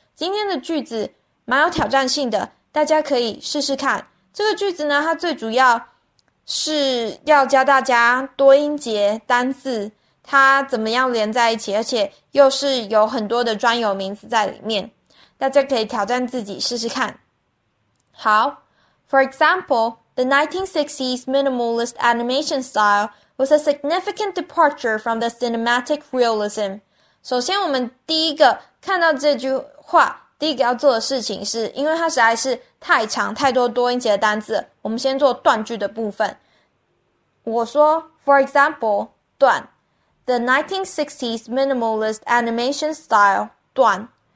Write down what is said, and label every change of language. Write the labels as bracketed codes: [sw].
[zh] 今天的句子蛮有挑战性的，大家可以试试看。这个句子呢，它最主要是要教大家多音节单字，它怎么样连在一起，而且又是有很多的专有名词在里面。大家可以挑战自己试试看。 [en] 好，For example, the 1960s minimalist animation style was a significant departure from the cinematic realism. [zh] 首先，我们第一个看到这句话，第一个要做的事情是，因为它实在是太长，太多多音节的单字，我们先做断句的部分。我说， [en] For example, 断，the 1960s minimalist animation style 断。